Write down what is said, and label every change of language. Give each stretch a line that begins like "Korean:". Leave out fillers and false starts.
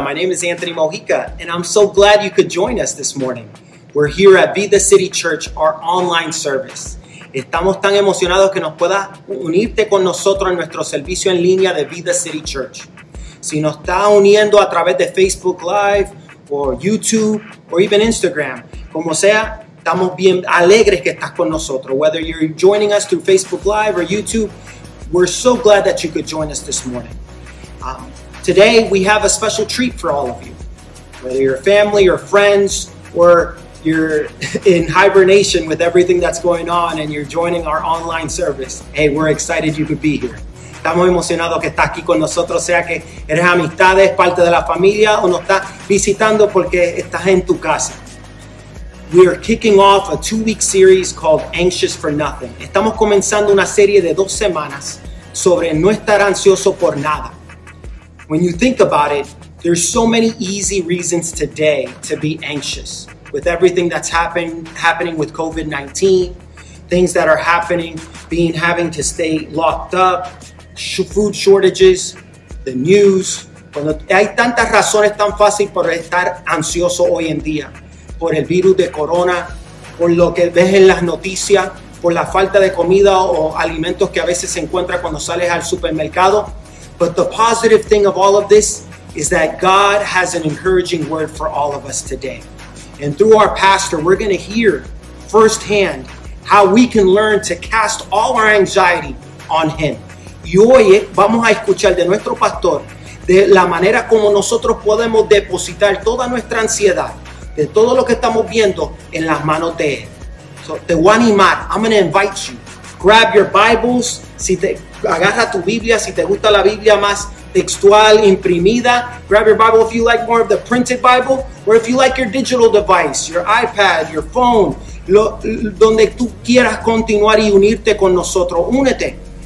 English: My name is Anthony Mojica, and I'm so glad you could join us this morning. We're here at Vida City Church, our online service.
Spanish: Estamos tan emocionados que nos puedas unirte con nosotros en nuestro servicio en línea de Vida City Church. Si nos estás uniendo a través de Facebook Live, o YouTube, o even Instagram, como sea, estamos bien alegres que estás con nosotros.
English: Whether you're joining us through Facebook Live or YouTube, we're so glad that you could join us this morning. Today, we have a special treat for all of you. Whether you're family or friends, or you're in hibernation with everything that's going on and you're joining our online service, hey, we're excited you could be here.
Spanish: Estamos emocionados que estás aquí con nosotros, sea que eres amistades, parte de la familia, o nos estás visitando porque estás en tu casa.
English: We are kicking off a two-week series called Anxious for Nothing.
Spanish: Estamos comenzando una serie de dos semanas sobre no estar ansioso por nada.
English: When you think about it, there's so many easy reasons today to be anxious with everything that's happening with COVID-19, things that are happening, having to stay locked up, food shortages, the news.
Spanish: Cuando hay tantas razones tan fácil por estar ansioso hoy en día. Por el virus de corona, por lo que ves en las noticias, por la falta de comida o alimentos que a veces se encuentra cuando sales al supermercado.
English: But the positive thing of all of this is that God has an encouraging word for all of us today. And through our pastor, we're going to hear firsthand how we can learn to cast all our anxiety on him.
Spanish: Y hoy vamos a escuchar de nuestro pastor de la manera como nosotros podemos depositar toda nuestra ansiedad de todo lo que estamos viendo en las manos de él.
English: So,
Spanish: te voy a animar.
English: I'm going to invite you. Grab your Bibles.
Spanish: Si te agarra tu Biblia, si te gusta la Biblia más textual, imprimida,
English: grab your Bible if you like more of the printed Bible, or if you like your digital device, your iPad, your phone,
Spanish: donde tú quieras continuar y unirte con nosotros. Únete.